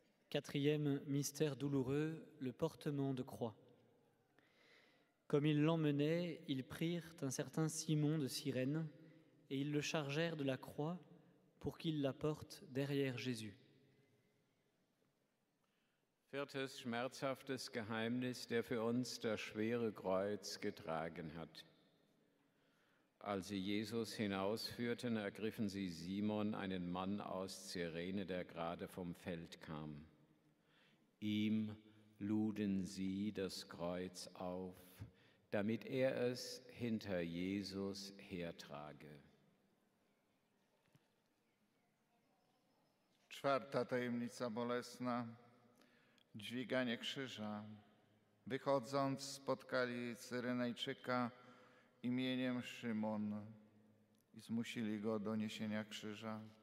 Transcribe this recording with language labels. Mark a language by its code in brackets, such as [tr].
[fr] Quatrième mystère douloureux, le portement de croix. Comme ils l'emmenaient, ils prirent un certain Simon de Cyrène et ils le chargèrent de la croix pour qu'il la porte derrière Jésus. [de] Viertes schmerzhaftes Geheimnis, der für uns das schwere Kreuz getragen hat. Als sie Jesus hinausführten, ergriffen sie Simon, einen Mann aus Cyrene, der gerade vom Feld kam. Ihm luden sie das Kreuz auf, damit er es hinter Jesus hertrage. [pl] Czwarta tajemnica bolesna, dźwiganie krzyża. Wychodząc, spotkali Cyrenejczyka imieniem Szymon i zmusili go do niesienia krzyża.